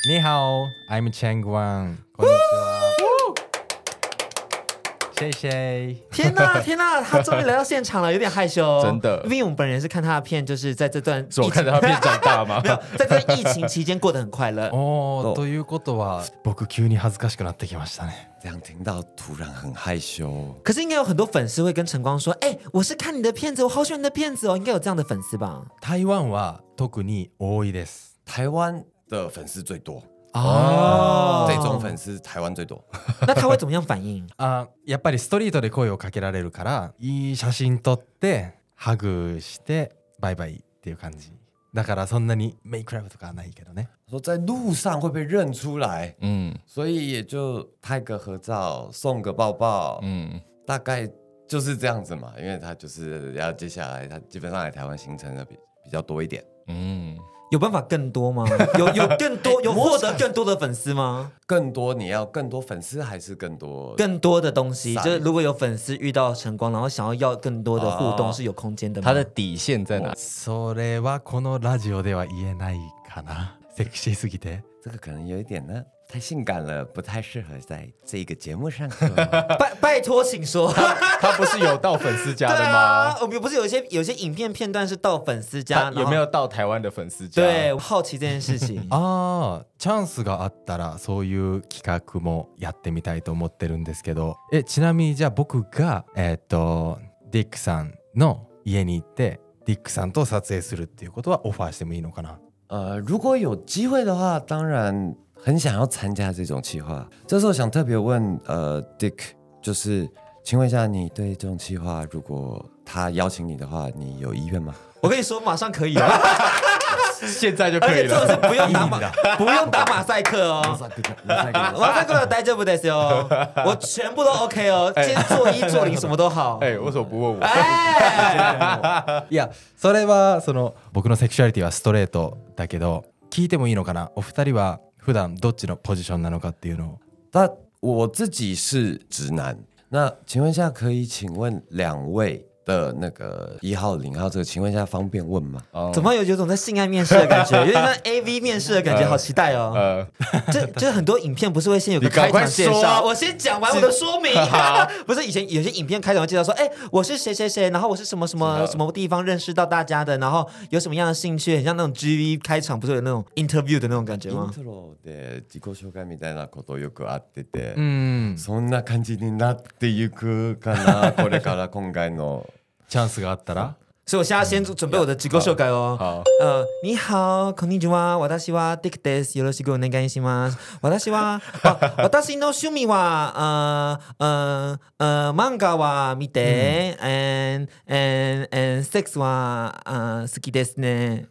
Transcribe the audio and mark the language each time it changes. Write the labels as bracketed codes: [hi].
[zh] 你好， I'm Chen Guang。谢谢。天哪天哪，他终于来到现场了，有点害羞。真的，因为我们本人是看他的片，就是在这段疫情，我看他片长大吗？没有，在这疫情期间过得很快乐。 [ja] ということは、僕急に恥ずかしくなってきましたね。 [zh] 这样听到突然很害羞。可是应该有很多粉丝会跟晨光说：“哎、欸，我是看你的片子，我好喜欢你的片子哦。”应该有这样的粉丝吧？台湾は特に多いです。台湾的粉丝最多。这种粉丝台湾最多。那他会怎么样反应？ [ja] やっぱりストリートで声をかけられるから、いい写真撮ってハグしてバイバイっていう感じ。だからそんなにメイクラブとかないけどね。 [zh] 说在路上会被认出来，所以也就拍个合照，送个抱抱，大概就是这样子嘛。因为他就是要接下来，他基本上来台湾行程的比较多一点，有办法更多吗？有更多，有获得更多的粉丝吗？更多，你要更多粉丝还是更多？更多的东西，就是如果有粉丝遇到晨光，然后想要更多的互动，是有空间的吗？他的底线在哪？ [ja] それはこのラジオでは言えないかな。セクシーすぎて。 [zh] 这个可能有一点呢，太性感了，不太适合在这个节目上。拜托，请说。他不是有到粉丝家的吗？对啊，我们不是有些影片片段是到粉丝家，有没有到台湾的粉丝家？对，好奇这件事情。 [ja] 啊，チャンスがあったらそういう企画もやってみたいと思ってるんですけど。ちなみにじゃあ僕がディックさんの家に行ってディックさんと撮影するっていうことはオファーしてもいいのかな？ [zh] 如果有机会的话，当然很想要参加这种企划。这时候想特别问Dick， 就是请问一下，你对这种企划，如果他邀请你的话，你有意愿吗？我跟你说，马上可以啊，现在就可以了，而且不用打马，不用打马赛克哦，马赛克要待着不得是哦，我全部都 OK 哦，今天做一做零什么都好。哎，为什么不问我？ [ja] いや、それはその僕のセクシュアリティはストレートだけど、聞いてもいいのかな？お二人は普段どっちのポジションなのかっていうの [zh] を。那我自己是直男。那请问一下，可以请问两位的那个一号、零号，这个请问一下方便问吗？怎么有种在性爱面试的感觉，有点像 AV 面试的感觉，好期待哦。就很多影片不是会先有个开场介绍？我先讲完我的说明。不是以前有些影片开场会介绍说，哎，我是谁谁谁，然后我是什么什么什么地方认识到大家的，然后有什么样的兴趣，很像那种 GV 开场不是有那种 interview 的那种感觉吗 [ja] ？Intro で自己紹介みたいなことよくあってて、そんな感じになっていくかな、これから今回の。チャンスがあったら、 [zh] 所以我现在先准备我的自己紹介哦。好， [ja] 你好，こんにちは、私はディックです。よろしくお願いします。私は、私の趣味は、漫画は見て、and セックスは、好きですね。